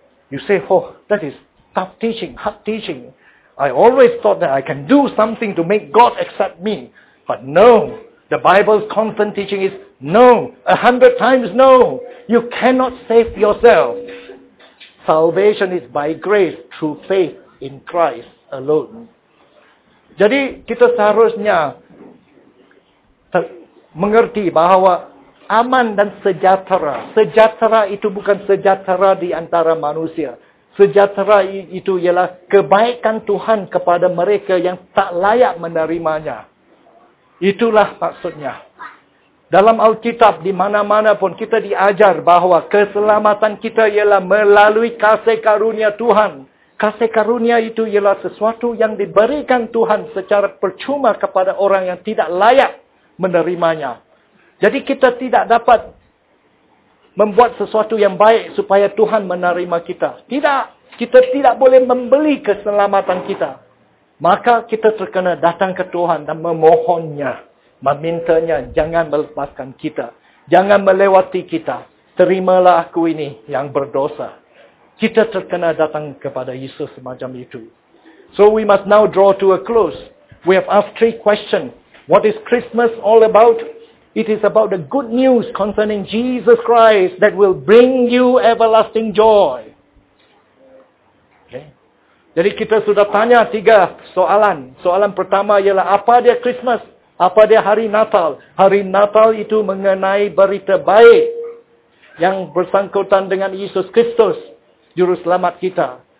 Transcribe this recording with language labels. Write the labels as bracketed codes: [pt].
[en] You say, oh, that is tough teaching, hard teaching. I always thought that I can do something to make God accept me. But no, The Bible's constant teaching is no, 100 times no. You cannot save yourself. Salvation is by grace through faith in Christ alone. [ms] Jadi kita seharusnya mengerti bahwa aman dan sejahtera. Sejahtera itu bukan sejahtera di antara manusia. Sejahtera itu ialah kebaikan Tuhan kepada mereka yang tak layak menerimanya. Itulah maksudnya. Dalam Alkitab, di mana-mana pun, kita diajar bahwa keselamatan kita ialah melalui kasih karunia Tuhan. Kasih karunia itu ialah sesuatu yang diberikan Tuhan secara percuma kepada orang yang tidak layak menerimanya. Jadi kita tidak dapat membuat sesuatu yang baik supaya Tuhan menerima kita. Tidak. Kita tidak boleh membeli keselamatan kita. Maka kita terkena datang ke Tuhan dan memohonnya. Memintanya jangan melepaskan kita. Jangan melewati kita. Terimalah aku ini yang berdosa. Kita terkena datang kepada Yesus semacam itu. [en] So we must now draw to a close. We have asked 3 questions. What is Christmas all about? It is about the good news concerning Jesus Christ that will bring you everlasting joy. [ms] Okay. Jadi kita sudah tanya 3 soalan. Soalan pertama ialah apa dia Christmas? Apa dia hari Natal? Hari Natal itu mengenai berita baik yang bersangkutan dengan Yesus Kristus, Juru Selamat kita.